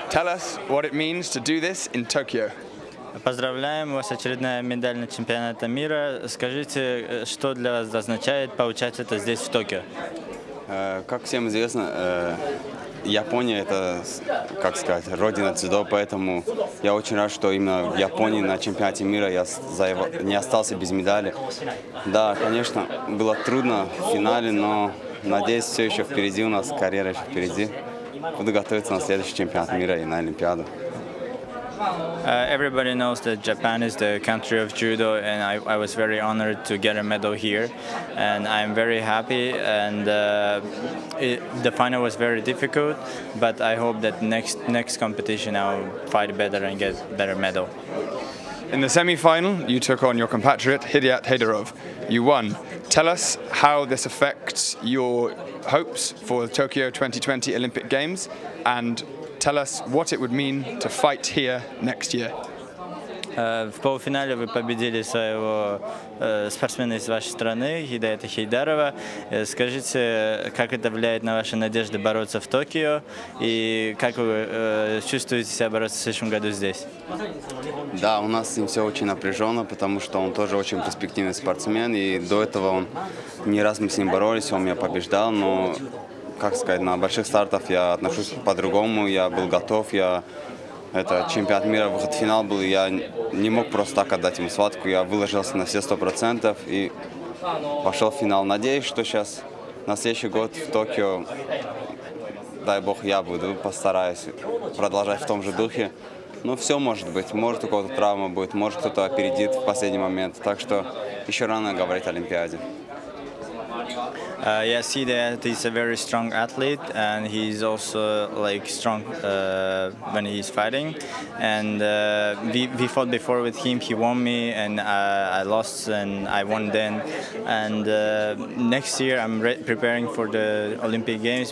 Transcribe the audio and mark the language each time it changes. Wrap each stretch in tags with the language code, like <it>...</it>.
<en>Tell us what it means to do this in Tokyo.</en> <ru>Поздравляем вас, очередная медаль на чемпионате мира. Скажите, что для вас означает получать это здесь, в Токио? Как всем известно, Япония – это, как сказать, родина дзюдо, поэтому я очень рад, что именно в Японии на чемпионате мира я не остался без медали. Да, конечно, было трудно в финале, но надеюсь, все еще впереди у нас, карьера еще впереди. Буду готовиться на следующий чемпионат мира и на Олимпиаду.</ru> <en>Everybody knows that Japan is the country of judo, and I was very honored to get a medal here, and I'm very happy, and the final was very difficult, but I hope that next competition I'll fight better and get better medal. In the semi-final, you took on your compatriot Hidiat Haydarov. You won. Tell us how this affects your hopes for the Tokyo 2020 Olympic Games, and tell us what it would mean to fight here next year.</en> <ru>В полуфинале вы победили своего спортсмена из вашей страны, Хидаята Хейдарова. Скажите, как это влияет на ваши надежды бороться в Токио? И как вы чувствуете себя бороться в следующем году здесь? Да, у нас с ним все очень напряженно, потому что он тоже очень перспективный спортсмен. И до этого он не раз мы с ним боролись, он меня побеждал, но... Как сказать, на больших стартах я отношусь по-другому, я был готов, это чемпионат мира, выход в финал был, я не мог просто так отдать ему схватку, я выложился на все 100% и вошел в финал. Надеюсь, что сейчас, на следующий год в Токио, дай бог, я буду, постараюсь продолжать в том же духе. Ну, все может быть, может у кого-то травма будет, может кто-то опередит в последний момент, так что еще рано говорить о Олимпиаде.</ru> <en>Yes, he that he's a very strong athlete, and he's also like strong when he's fighting. And we fought before with him. He won me, and I lost, and I won then. And next year, I'm preparing for the Olympic Games.</en>